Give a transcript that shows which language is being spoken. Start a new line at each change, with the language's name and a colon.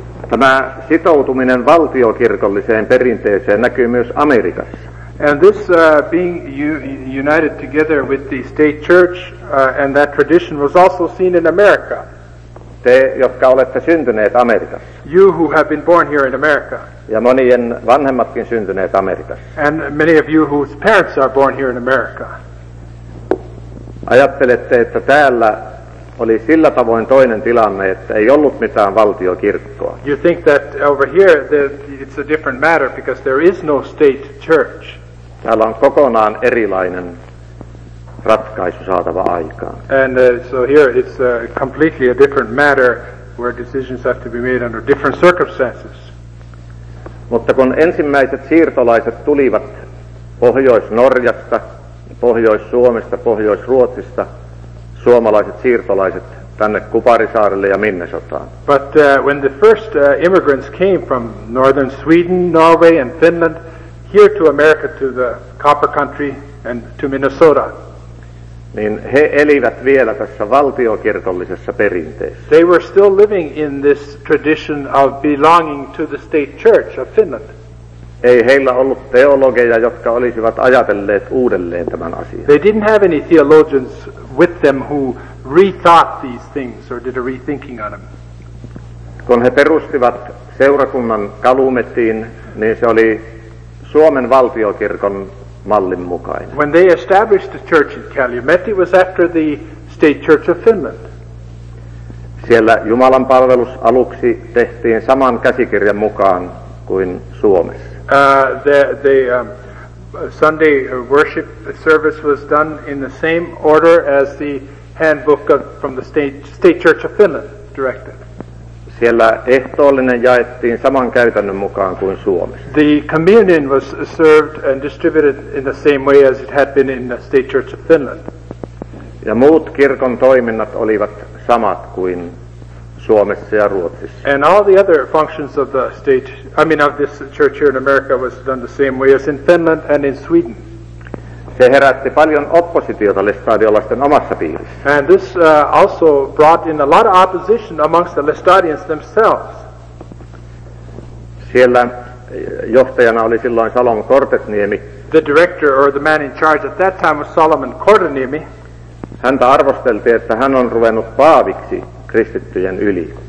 Finnish: Tämä sitoutuminen valtiokirkolliseen perinteeseen näkyy myös Amerikassa.
English: And this being united together with the state church and that tradition was also seen in America.
Finnish: Te, jotka olette syntyneet Amerikassa.
English: You who have been born here in America.
Finnish: Ja monien vanhemmatkin syntyneet Amerikassa.
English: And many of you whose parents are born here in America.
Finnish: Ajattelette, että täällä oli sillä tavoin toinen tilanne, että ei ollut mitään valtiokirkkoa.
English: You think that over here that it's a different matter because there is no state church.
Finnish: Täällä on kokonaan erilainen ratkaisu saatava aikaan.
English: And so here it's completely a different matter where decisions have to be made under different circumstances.
Finnish: Mutta kun ensimmäiset siirtolaiset tulivat Pohjois-Norjasta, Pohjois-Suomesta, Pohjois-Ruotsista, suomalaiset siirtolaiset tänne Kuparisaarelle ja Minnesotaan.
English: But when the first immigrants came from northern Sweden, Norway and Finland here to America to the Copper Country and to Minnesota.
Finnish: Niin he elivät vielä tässä valtiokirkollisessa perinteessä.
English: They were still living in this tradition of belonging to the state church of Finland.
Finnish: Ei heillä ollut teologeja, jotka olisivat ajatelleet uudelleen tämän asian.
English: They didn't have any theologians with them who rethought these things or did a rethinking on them.
Finnish: Kun he perustivat seurakunnan Kalumetiin, niin se oli Suomen valtiokirkon mallin mukainen.
English: When they established the church in Calumet, it was after the state church of Finland.
Finnish: Siellä Jumalan palvelus aluksi tehtiin saman käsikirjan mukaan kuin Suomessa.
English: Sunday worship service was done in the same order as the handbook of, from the state church of Finland directed.
Finnish: Siellä ehtoollinen jaettiin saman käytännön mukaan kuin Suomessa.
English: The communion was served and distributed in the same way as it had been in the state church of Finland.
Finnish: Ja muut kirkon toiminnat olivat samat kuin Suomessa ja Ruotsissa.
English: And all the other functions of the state, I mean of this church here in America was done the same way as in Finland and in Sweden.
Finnish: Se herätti paljon oppositiota lestadiolaisten omassa piirissä.
English: And this also brought in a lot of opposition amongst the Lestadians themselves.
Finnish: Siellä johtajana oli silloin Salomon Kortesniemi.
English: The director or the man in charge at that time was Solomon Kortesniemi.
Finnish: Häntä arvosteltiin, että hän on ruvennut paaviksi kristittyjen yli.